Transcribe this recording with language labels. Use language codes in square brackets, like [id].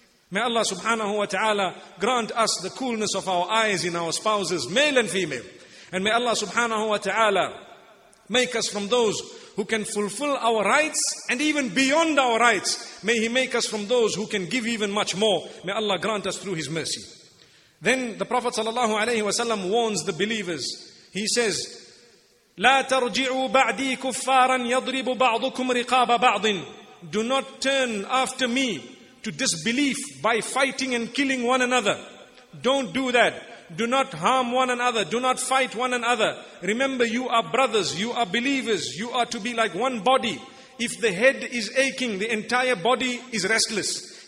[en] May Allah subhanahu wa ta'ala grant us the coolness of our eyes in our spouses, male and female. And may Allah subhanahu wa ta'ala make us from those who can fulfill our rights and even beyond our rights. May He make us from those who can give even much more. May Allah grant us through His mercy. Then the Prophet sallallahu alayhi wa sallam warns the believers. He says, [ar] لا ترجعوا بعدي كفارا يضرب بعضكم رقاب بعض. [en] Do not turn after me to disbelief by fighting and killing one another. Don't do that. Do not harm one another. Do not fight one another. Remember, you are brothers. You are believers. You are to be like one body. If the head is aching, the entire body is restless.